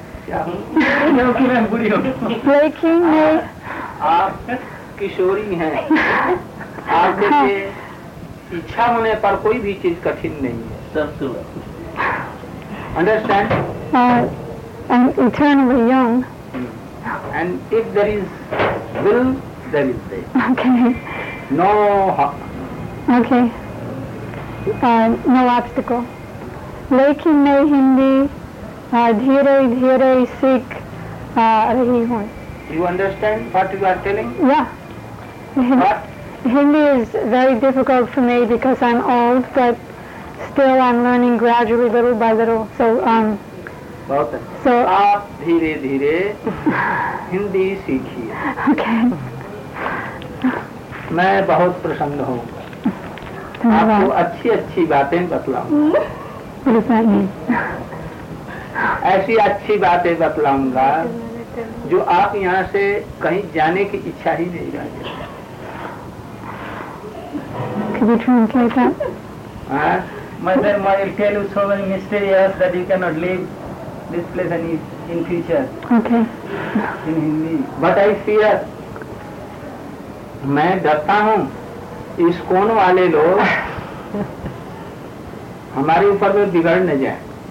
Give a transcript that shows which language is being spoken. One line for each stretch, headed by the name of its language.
Hindi: लेकिन आप किशोरी हैं, आपके लिए इच्छा होने पर कोई भी चीज कठिन नहीं है, सब सुलभ.
English: Understand? I'm eternally young. And if there is will, there is way. Okay. No. Okay. No obstacle.
Hindi: लेकिन मैं हिंदी धीरे धीरे सीख रही हूँ.
English: You understand what you are telling? Yeah. What? Hindi is very difficult for me because I'm old, but still I'm learning gradually, little by little. So,
Hindi: बहुत है. So, आप धीरे धीरे हिंदी सीखिए.
English: Okay.
Hindi: मैं बहुत प्रसन्न हूँ. धन्यवाद. आपको अच्छी अच्छी बातें बतलाऊंगा.
English: What does that mean?
Hindi: ऐसी अच्छी बातें बतलाऊंगा जो आप यहाँ से कहीं जाने की इच्छा ही नहीं करती.
English: Can you translate that? Mother, I will tell you so many mysteries that you cannot leave this place any in future. Okay. In Hindi. But I fear.
Hindi: मैं डरता हूँ इस कोन वाले लोग हमारे ऊपर में बिगड़ न जाए.